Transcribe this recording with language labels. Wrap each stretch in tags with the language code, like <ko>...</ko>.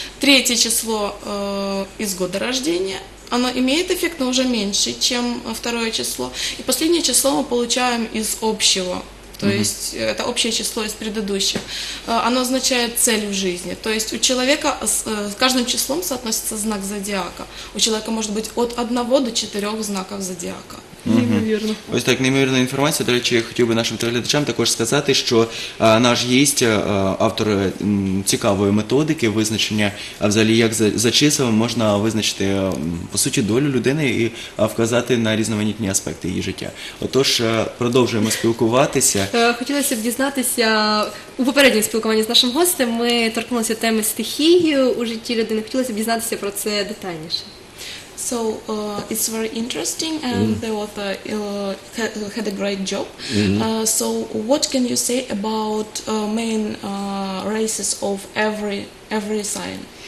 <ru>Третье число из года рождения. Оно имеет эффект, но уже меньше, чем второе число. И последнее число мы получаем из общего. То есть это общее число из предыдущих. Оно означает цель в жизни. То есть у человека с каждым числом соотносится знак зодиака. У человека может быть от 1 до 4 знаков зодиака.</ru> <uk>Неймовірно. Ось так, неймовірна інформація. До речі, я хотів би нашим телеглядачам також сказати, що наш гість, автор цікавої методики визначення, взагалі, як за числами можна визначити, по суті, долю людини і вказати на різноманітні аспекти її життя. Отож, продовжуємо спілкуватися. Хотілося б дізнатися, у попередньому спілкуванні з нашим гостем ми торкнулися теми стихії у житті людини. Хотілося б дізнатися про це детальніше.</uk> <en>So it's very interesting, and the author had a great job. So what can you say about main races of every sign?</en>